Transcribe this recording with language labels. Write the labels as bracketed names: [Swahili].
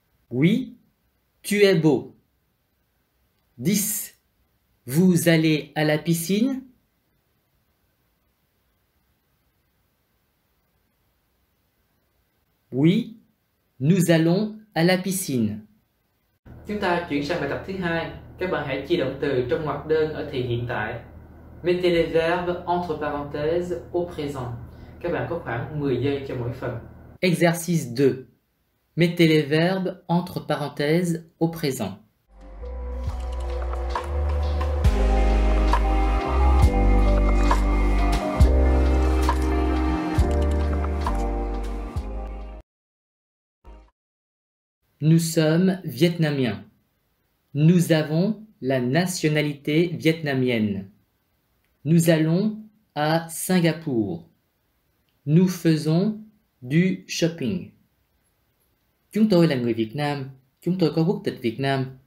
[French] Oui, tu es beau. 10. Vous allez à la piscine? Oui, nous allons à la piscine. [Vietnamese] Chúng ta chuyển sang bài tập thứ hai. Các bạn hãy chia động từ trong ngoặc đơn ở thể hiện tại. [French] Mettez les verbes entre parenthèses au présent. [Vietnamese] Các bạn có khoảng 10 giây cho mỗi phần. [French] Exercice 2. Mettez les verbes entre parenthèses au présent. Nous sommes vietnamiens. Nous avons la nationalité vietnamienne. Nous allons à Singapour. Nous faisons du shopping. [Vietnamese] Chúng tôi là người Việt Nam. Chúng tôi có quốc tịch Việt Nam.